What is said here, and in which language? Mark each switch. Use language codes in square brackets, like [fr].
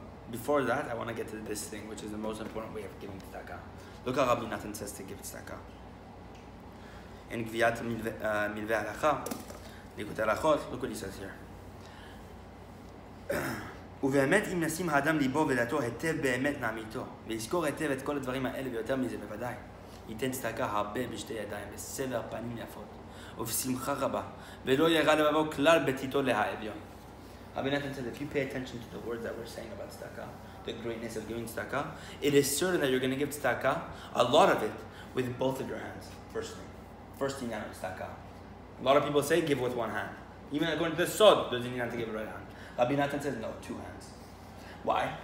[en] Before that, I want to get to this thing, which is the most important way of giving tzedakah. Look how Rabbi Nachman says to give tzedakah. In Gviat Milve Halacha, Likutei Halachot, look what he says here. [he] ובאמת אם נשים האדם ליבו ודעתו היטב באמת נעמיתו ויזכור היטב את כל הדברים האלה ויותר מזה בוודאי ייתן צדקה הרבה בשתי ידיים בסבר פנים יפות ובשמחה רבה ולא ירד לבבו כלל בתיתו להאביון. [en] Rabbi Nathan says, if you pay attention to the words that we're saying about tzedakah, the greatness of giving tzedakah, it is certain that you're going to give tzedakah, a lot of it, with both of your hands. First thing out of tzedakah. A lot of people say, give with one hand. Even according to the sod, there's a need to give a right hand. Rabbi Nathan says, no, two hands. Why?